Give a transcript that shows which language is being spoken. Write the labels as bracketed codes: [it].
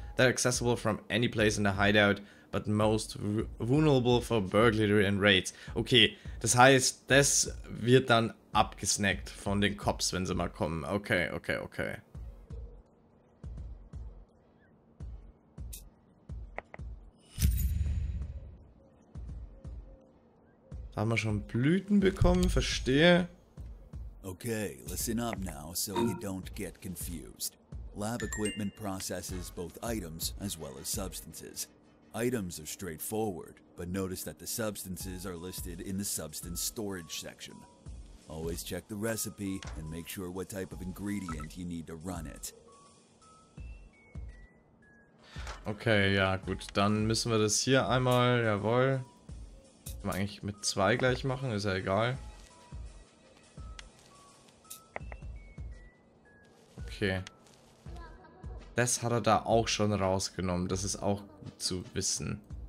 [en] They're accessible from any place in the hideout, but most vulnerable for burglary and raids. [de] Okay, das heißt, das wird dann abgesnackt von den Cops, wenn sie mal kommen. Okay, okay, okay. Haben wir schon Blüten bekommen? Verstehe. [en] Okay, listen up now so you don't get confused. Lab equipment processes both items as well as substances. Items are straightforward, but notice that the substances are listed in the substance storage section. Always check the recipe and make sure what type of ingredient you need to run it. [de] Okay, ja gut, dann müssen wir das hier einmal, jawohl. Können wir eigentlich mit zwei gleich machen, ist ja egal. Okay. Das hat er da auch schon rausgenommen, das ist auch gut zu wissen.